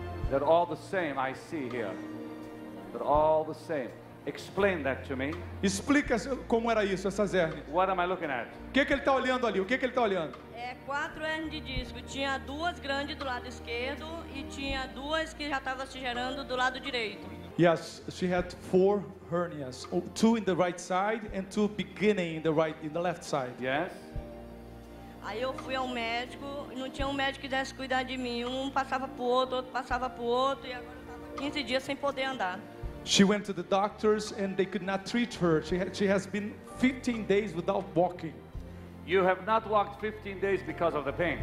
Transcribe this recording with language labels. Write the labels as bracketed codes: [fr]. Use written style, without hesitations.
[en] They're all the same I see here. They're all the same. Explain that to me. [pt] Explica como era isso, essas hérnias. [en] What am I looking at? [pt] Que ele está olhando ali? O que ele está olhando? É quatro hérnias de disco. Tinha duas grandes do lado esquerdo e tinha duas que já estavam se gerando do lado direito. [en] Yes, she had four hernias, two in the right side and two beginning in the right, in the left side. Yes. [pt] Aí eu fui ao médico, não tinha um médico que desse cuidar de mim. Um passava pro outro passava pro outro, e agora eu tava 15 dias sem poder andar. [en] She went to the doctors and they could not treat her. She has been 15 days without walking. You have not walked 15 days because of the pain.